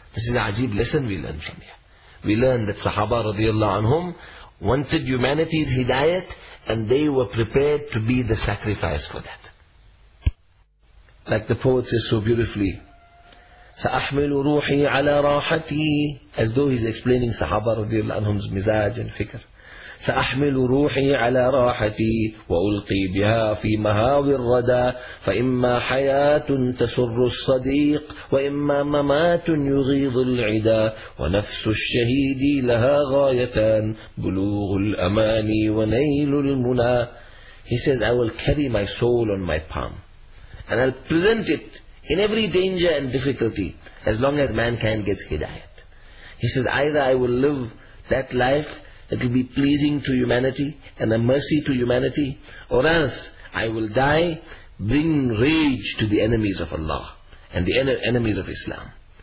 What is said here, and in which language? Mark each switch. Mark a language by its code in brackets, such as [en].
[en] This is an ajeeb lesson we learn from here. We learn that Sahaba radiallahu anhum wanted humanity's hidayat and they were prepared to be the sacrifice for that. Like the poet says so beautifully, [ar] سَأَحْمِلُ رُوحِي عَلَى رَاحَتِي [en] As though he's explaining Sahaba radiallahu anhum's mizaj and fikr. [ar] سأحمل روحي على راحتي وألقي بها في مهاوي الردى فإما حياة تسر الصديق وإما ممات يغيظ العدا ونفس الشهيد لها غايتان بلوغ الأماني ونيل المنى [en] He says, I will carry my soul on my palm and I'll present it in every danger and difficulty as long as mankind gets hidayat. He says, either I will live that life it will be pleasing to humanity and a mercy to humanity, or else I will die bringing rage to the enemies of Allah and the enemies of Islam.